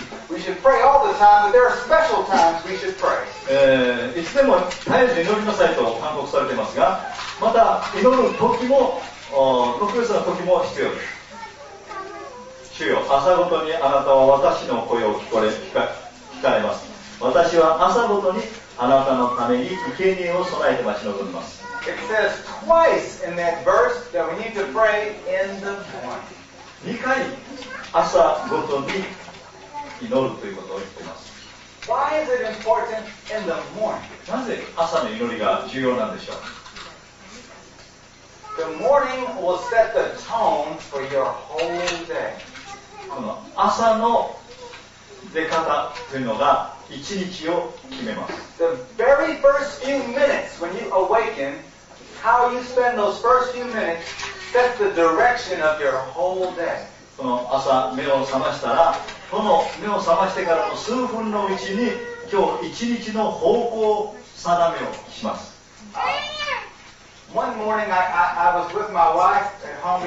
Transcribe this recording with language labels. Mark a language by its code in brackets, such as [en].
[en] We should pray all the time, but there are special times we should pray. [ja] いつでも絶えず祈りなさいと勧告されていますが、また祈る時も、特別な時も必要です。主よ、朝ごとにあなたは私の声を聞かれます。私は朝ごとにあなたのために生贄を備えて待ち望みます。 [en] It says twice in that verse that we need to pray in the morning. [ja] 2回朝ごとに祈るということを言っています。 [en] Why is it important in the morning? [ja] なぜ朝の祈りが重要なんでしょう。 [en] The morning will set the tone for your whole day. [ja] この朝の出方というのが一日を決めます。 [en] The very first few minutes when you awaken, how you spend those first few minutes set the direction of your whole day. [ja] この朝目を覚ましたら、この目を覚ましてからの数分のうちに今日一日の方向定めをします。 [en] One morning I was with my wife at home.